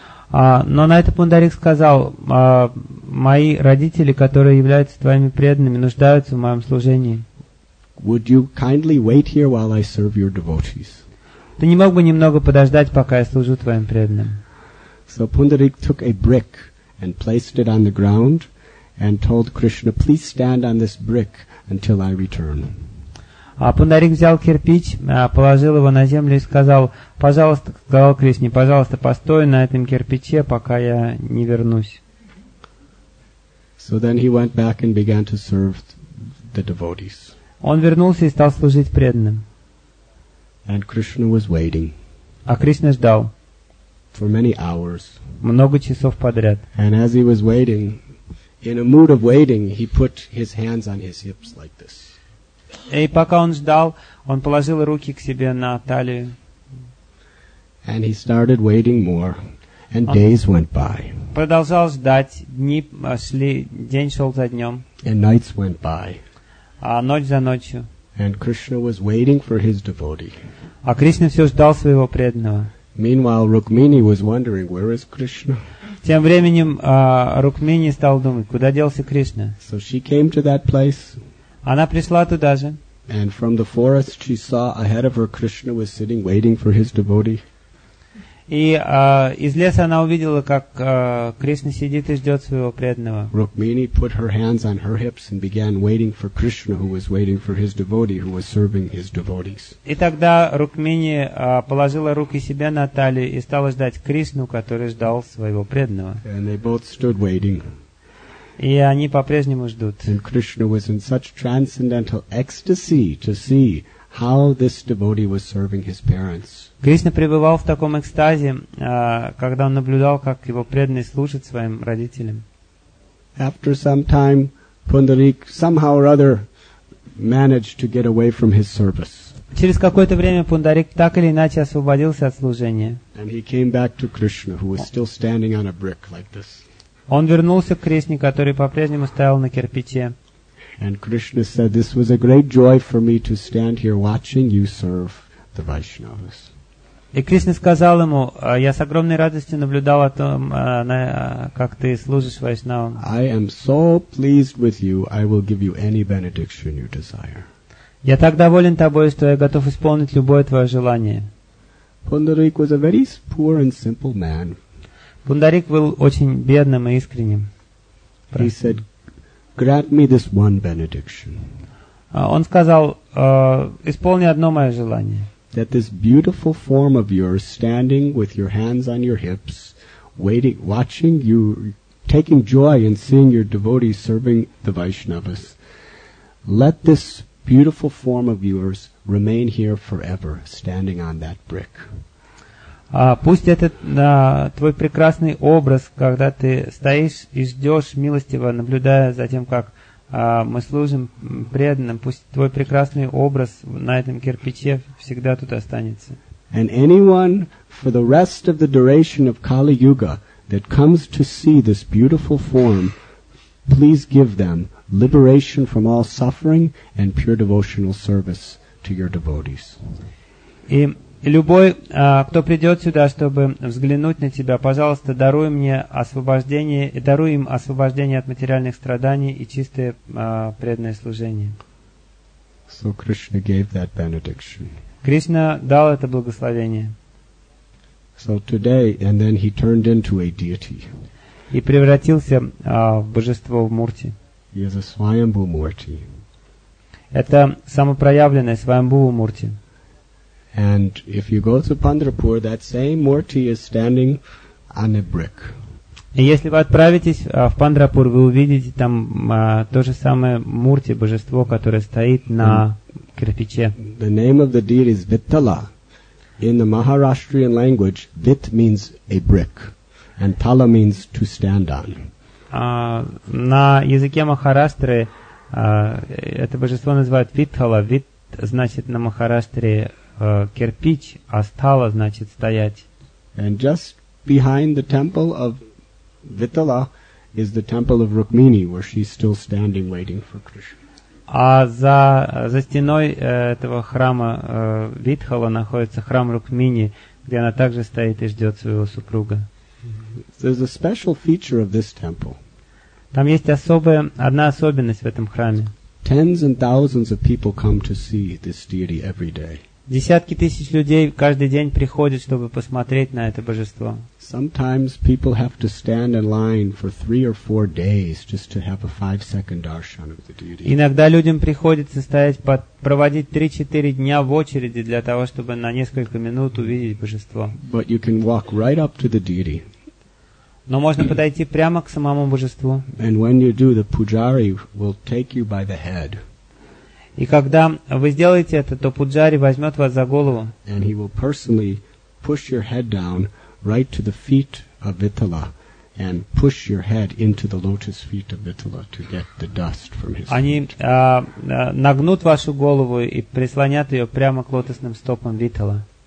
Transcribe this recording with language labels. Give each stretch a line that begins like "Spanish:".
Russian: Но на это Пундарик сказал, «Мои родители, которые являются твоими преданными, нуждаются в моем служении».
English: Would you kindly wait here while I serve your devotees?
Russian: Ты не мог бы немного подождать, пока я служу твоим преданным?
English: So Pundarik took a brick and placed it on the ground, and told Krishna, please stand on this brick until I return.
Russian: А Пундарик взял кирпич, положил его на землю и сказал, пожалуйста, сказал Кришне, пожалуйста, постой на этом кирпиче, пока я не вернусь.
English: So then he went back and began to serve the devotees.
Russian: Он вернулся и стал служить преданным.
English: And Krishna was waiting.
Russian: А Кришна ждал.
English: For many hours.
Russian: Много часов подряд.
English: And as he was waiting, in a mood of waiting, he put his hands on his hips like this.
Russian: И пока он ждал, он положил руки к себе на талию.
English: And he started waiting more, and
Russian: он
English: days went by.
Russian: Продолжал ждать, дни шли, день шел за днем.
English: And nights went by.
Russian: А ночь за ночью.
English: And Krishna was waiting for his devotee.
Russian: А Кришна все ждал своего преданного.
English: Meanwhile, Rukmini was wondering, where is Krishna?
Russian: Тем временем Рукмини стал думать, куда делся Кришна?
English: So she came to that place.
Russian: Она пришла туда же.
English: And from the forest she saw ahead of her Krishna was sitting waiting for his devotee.
Russian: И из леса она увидела, как Кришна сидит и ждет своего преданного.
English: Rukmini put her hands on her hips and began waiting for Krishna, who was waiting for his devotee, who was serving his devotees.
Russian: И тогда Рукмини положила руки себе на талию и стала ждать Кришну, который ждал своего преданного.
English: And they both stood waiting.
Russian: И они по-прежнему ждут.
English: And Krishna was in such transcendental ecstasy to see how this devotee was serving his parents.
Russian: Кришна пребывал в таком экстазе, когда он наблюдал, как его преданный служит своим родителям.
English: After some time, Пундарик somehow or other managed to get away from his service.
Russian: Через какое-то время Пундарик так или иначе освободился от служения.
English: And he came back to Krishna, who was still standing on a brick like this.
Russian: Он вернулся к Кришне, который по-прежнему стоял на кирпиче.
English: And Krishna said, "This was a great joy for me to stand here watching you serve the Vaishnavas."
Russian: И Кришна сказал ему, "Я с огромной радостью наблюдал о том, как ты служишь Вайшнавам."
English: I am so pleased with you. I will give you any benediction you desire.
Russian: Я так доволен тобой, что я готов исполнить любое твое желание.
English: Пундарик was a very poor and simple man.
Russian: Пундарик был очень бедным и искренним.
English: He said, "Grant me this one benediction."
Russian: Он сказал, исполни одно мое желание.
English: That this beautiful form of yours, standing with your hands on your hips, waiting, watching you, taking joy in seeing your devotees serving the Vaishnavas, let this beautiful form of yours remain here forever, standing on that brick.
Russian: Пусть этот твой прекрасный образ, когда ты стоишь и ждешь милостиво, наблюдая за тем, как мы служим преданным, пусть твой прекрасный образ на этом кирпиче всегда тут останется.
English: And anyone for the rest of the duration of Kali Yuga that comes to see this beautiful form, please give them liberation from all suffering and pure devotional service to your devotees.
Russian: И любой, кто придет сюда, чтобы взглянуть на тебя, пожалуйста, даруй мне освобождение, даруй им освобождение от материальных страданий и чистое преданное служение.
English: So Krishna gave that benediction.
Russian: Кришна дал это благословение.
English: So today, and then he turned into a deity.
Russian: И превратился в божество в Мурти.
English: He is a Swayambhu Murti.
Russian: Это самопроявленное Свайамбху Мурти.
English: And if you go to Pandharpur, that same Murti is standing on a brick.
Russian: И если вы отправитесь в Пандрапур, вы увидите там то же самое Мурти, божество, которое стоит на кирпиче.
English: The name of the deity is Vittala. In the Maharashtrian language, Vit means a brick, and Tala means to stand on.
Russian: На языке Махараштры это божество называют Виттала. Вит значит на Махараштре кирпич, а стала значит стоять.
English: And just behind the temple of Vittala is the temple of Rukmini, where she's still standing waiting for Krishna.
Russian: А за стеной этого храма Витхала находится храм Рукмини, где она также стоит и ждет своего супруга.
English: There's a special feature of this temple.
Russian: Там есть одна особенность в этом храме.
English: Tens and thousands of people come to see this deity every day.
Russian: Десятки тысяч людей каждый день приходят, чтобы посмотреть на это божество.
English: Sometimes people have to stand in line for 3 or 4 days just to have a 5-second darshan of the deity.
Russian: Иногда людям приходится стоять, проводить 3-4 дня в очереди для того, чтобы на несколько минут увидеть божество.
English: But you can walk right up to the deity.
Russian: Но можно подойти прямо к самому божеству.
English: And when you do, the pujari will take you by the head.
Russian: И когда вы сделаете это, то пуджари возьмет вас за голову.
English: And he will personally push your head down right to the feet of Vitthala and push your head into the lotus feet of Vitthala to get the dust from his feet.
Russian: Они нагнут вашу голову и прислонят ее прямо к лотосным стопам Vitthala.